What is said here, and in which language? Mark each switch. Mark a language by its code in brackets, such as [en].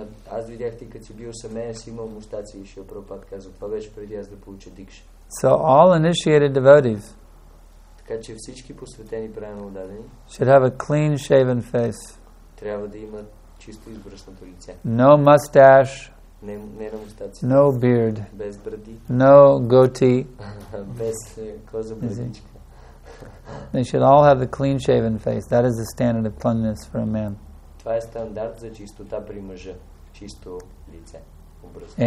[bg] Аз видях ти, като си бил семейен, си имал мустаци и Шрила Прабхупада казва, това беше преди аз да получа дикша. [en] So all initiated devotees, [bg] така че всички посветени правилно отдадени, [en] should have a clean shaven face. [bg] Трябва да имат чисто избръснато лице. [en] No mustache. [bg] Не на мустаци. [en] No beard. [bg] Без бради. [en] No goatee. [bg] Без коза брадичка. [en] They should all have a clean shaven face. That is the standard of cleanliness for a man. [bg] Това е стандарт за чистота при мъжа, чисто лице, образ.